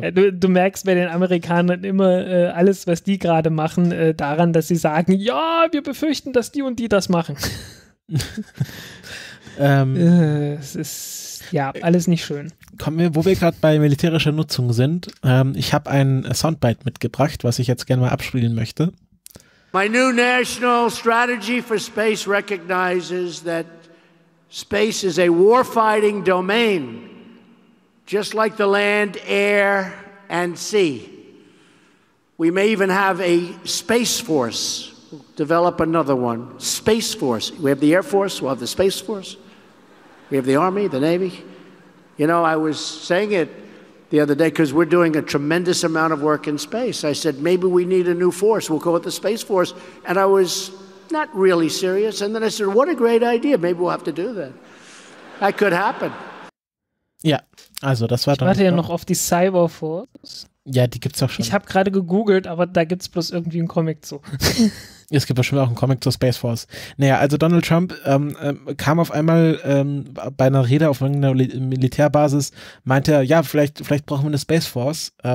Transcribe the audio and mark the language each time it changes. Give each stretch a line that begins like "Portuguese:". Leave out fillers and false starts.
German: Du merkst bei den Amerikanern immer alles, was die gerade machen, daran, dass sie sagen, ja, wir befürchten, dass die und die das machen. Es ist ja alles nicht schön. Kommen wir, wo wir gerade bei militärischer Nutzung sind. Ich habe ein Soundbite mitgebracht, was ich jetzt gerne mal abspielen möchte.
English: My new national strategy for space recognizes that space is a warfighting domain, just like the land, air and sea. We may even have a space force. Develop another one. Space force. We have the Air Force. We'll have the Space Force. We have the Army, the Navy. You know, I was saying it, the other day, because we're doing a tremendous amount of work in space. I said, maybe we need a new force. We'll call it the Space Force. And I was not really serious. And then I said, what a great idea. Maybe we'll have to do that. That could happen.
German: Ja, also das war dann. Ich warte ja noch auf die Cyber Force. Ja, die gibt's auch schon. Ich habe gerade gegoogelt, aber da gibt's bloß irgendwie einen Comic zu. Es gibt bestimmt auch einen Comic zur Space Force. Naja, also Donald Trump kam auf einmal bei einer Rede auf irgendeiner Militärbasis, meinte er, ja, vielleicht brauchen wir eine Space Force.